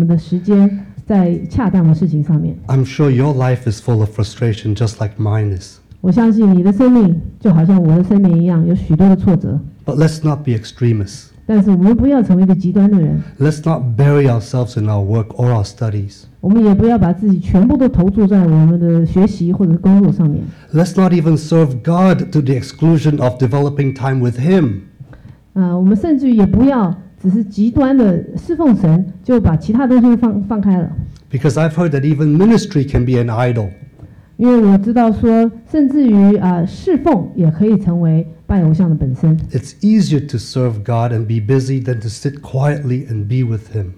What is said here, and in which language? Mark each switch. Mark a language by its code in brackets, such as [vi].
[zh] 所以呢，诗篇90篇也就是提醒我们说，必须要投资我们的时间在恰当的事情上面。 [en] I'm sure your life is full of frustration just like mine is. [zh] 我相信你的生命就好像我的生命一样，有许多的挫折。 [en] But let's not be extremists. [zh] 但是我们不要成为一个极端的人。 [en] Let's not bury ourselves in our work or our studies. [zh] 我们也不要把自己全部都投注在我们的学习或者工作上面。 [en] Let's not even serve God to the exclusion of developing time with Him. [zh] 我们甚至也不要只是极端的侍奉神，就把其他东西放开了。 [en] Because I've heard that even ministry can be an idol. [zh] 因为我知道说，甚至于侍奉也可以成为拜偶像的本身。 [en] It's easier to serve God and be busy than to sit quietly and be with Him.